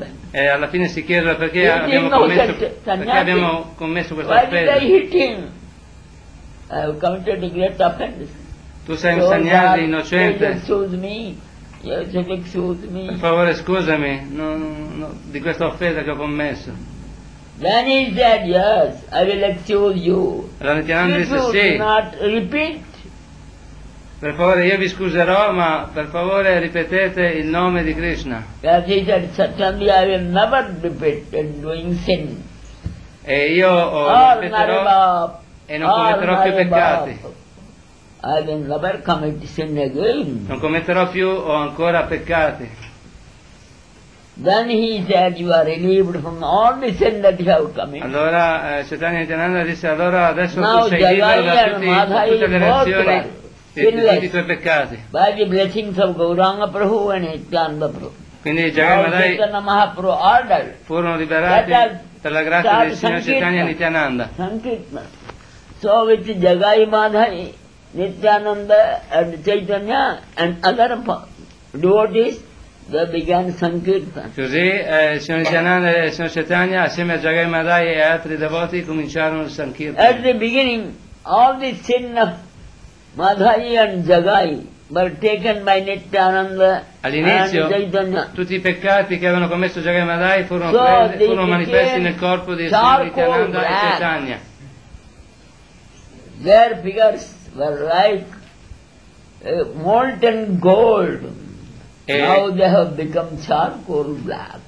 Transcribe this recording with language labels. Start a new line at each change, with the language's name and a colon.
Italian: E alla fine si chiedono perché abbiamo commesso questo offesa.
English: I have committed a great offense.
Italian: Tu sei un sannyasi innocente.
English: Excuse me.
Italian: Per favore scusami, no, di questa offesa che ho commesso.
English: Then he said, yes, I will excuse you.
Italian: Allora,
English: if you do not repeat
Italian: Per favore, io vi scuserò, ma per favore ripetete il nome di Krishna. E io ripeterò e non commetterò più peccati.
English: I will never commit sin again.
Italian: Non commetterò più o ancora peccati.
English: Then he said, you are relieved from all the sin that you have committed.
Italian: Allora Chaitanya Nityananda disse, allora adesso
English: now,
Italian: tu sei libero da tutte le reazioni di tutti i tuoi peccati.
English: By the blessings of Gauranga Prabhu and Nityananda Prabhu.
Italian: Quindi Jagannadai furono liberati per la grazia del Signore Chaitanya Nityananda. Sankirtana.
English: So with Jagai Madhai, Nityananda and Chaitanya and other devotees, they began Sankirtana.
Italian: Così il Signore Nityananda e il Signore Chaitanya assieme a Jagai Madhai e altri devoti cominciarono il Sankirtana.
English: At the beginning, all the sin of Madhai and Jagai were taken by Nityananda
Italian: all'inizio,
English: and Chaitanya.
Italian: Tutti i peccati che avevano commesso Jagai Madhai furono manifesti nel corpo di Signore Nityananda e Chaitanya.
English: Their figures were like molten gold. E now they have become charcoal black.